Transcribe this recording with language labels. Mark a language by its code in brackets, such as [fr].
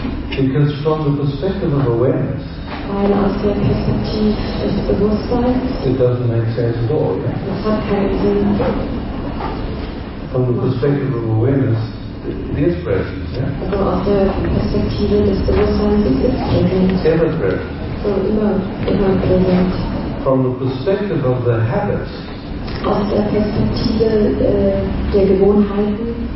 [en] Because from the perspective of awareness, [de] weil aus der Perspektive des Bewusstseins, [en] it doesn't make sense at all. [de] Es hat keinen Sinn. [en] From the perspective of awareness, it is present. Yeah? [de] Also aus der Perspektive des Bewusstseins ist es präsent. [en] Ever present. [de] So immer präsent. [en] From the perspective of the habits, [de] aus der Perspektive der Gewohnheiten,